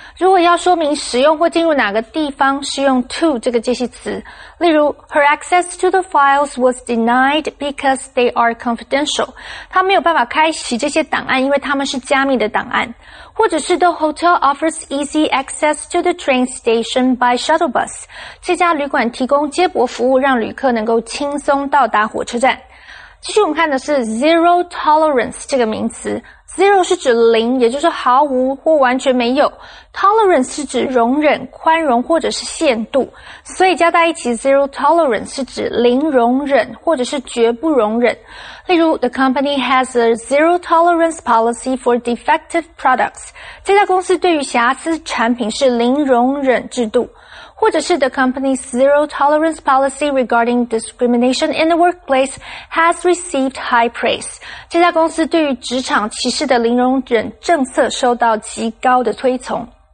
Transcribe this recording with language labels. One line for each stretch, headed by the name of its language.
Chinese: 如果要说明使用或进入哪个地方，是用 to 这个介系词。例如
English: ,her access to the files was denied because they are confidential.
Chinese: 她没有办法开启这些档案，因为他们是加密的档案。或者是
English: the hotel offers easy access to the train station by shuttle bus.
Chinese: 这家旅馆提供接驳服务，让旅客能够轻松到达火车站。继续我们看的是 zero tolerance 这个名词。 zero 是指零，也就是毫无或完全没有。tolerance 是指容忍、宽容或者是限度。所以加在一起 zero tolerance 是指零容忍或者是绝不容忍。例如
English: the company has a zero tolerance policy for defective products.
Chinese: 这家公司对于瑕疵产品是零容忍制度。或者是
English: the company's zero tolerance policy regarding discrimination in the workplace has received high praise.
Chinese: 这家公司对于职场歧视的零容忍政策受到极高的推崇。